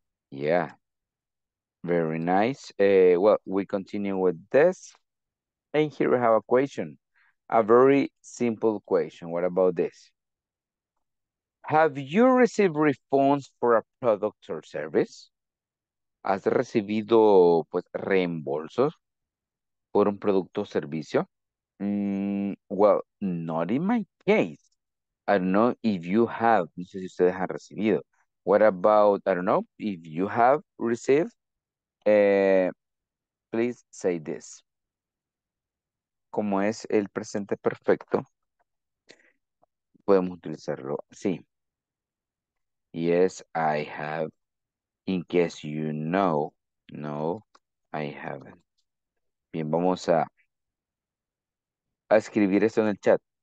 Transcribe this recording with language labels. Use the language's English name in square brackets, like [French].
[English] Yeah, very nice. Well, we continue with this. And here we have a question, a very simple question. What about this? Have you received refunds for a product or service? [Spanish] ¿Has recibido pues reembolsos por un producto o servicio? [English] Well, not in my case. I don't know if you have. [Spanish] No sé si ustedes han recibido. [English] What about, I don't know, if you have received, please say this. [Spanish] Como es el presente perfecto, podemos utilizarlo así. [English] Yes, I have. In case you know, no, I haven't. [Spanish] Bien, vamos a escribir esto en el chat.